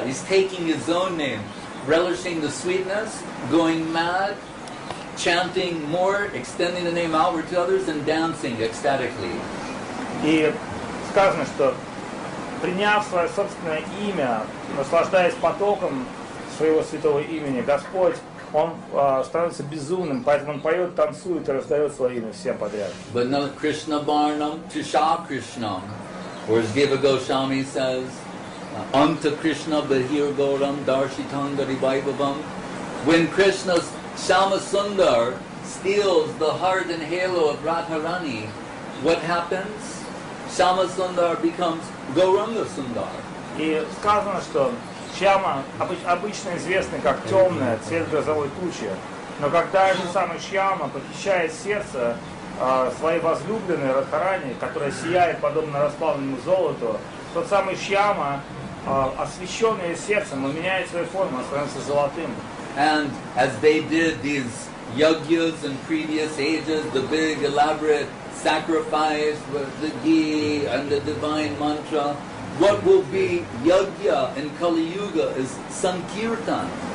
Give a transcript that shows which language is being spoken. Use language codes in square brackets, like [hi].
[en] He's taking his own name, relishing the sweetness, going mad, chanting more, extending the name outward to others, and dancing ecstatically. [ru] И сказано, что приняв свое собственное имя, наслаждаясь потоком своего святого имени, Господь, Он становится безумным, поэтому Он поет, танцует и раздает свое имя всем подряд. [en] But not Krishna Varnam, Trisha Krishnam, or as Deva Goswami says, [sa] Anta Krishna Bahir Gauram Darshitangari Vaibhavam. [en] When Krishna's Shama Sundar steals the heart and halo of Radharani, what happens? Shama Sundar becomes Gauranga Sundar. [ru] И сказано, что Шама обычно известный как темная, цвет грозовой тучи. Но когда этот самый Шама похищает сердце своей возлюбленной Радхарани, которая сияет подобно расплавленному золоту, тот самый Шама, освещенное сердцем, он меняет свою форму, он становится золотым. [en] And as they did these yagyas in previous ages, the big elaborate sacrifice with the ghee and the divine mantra, what will be yagya in Kali Yuga is sankirtan.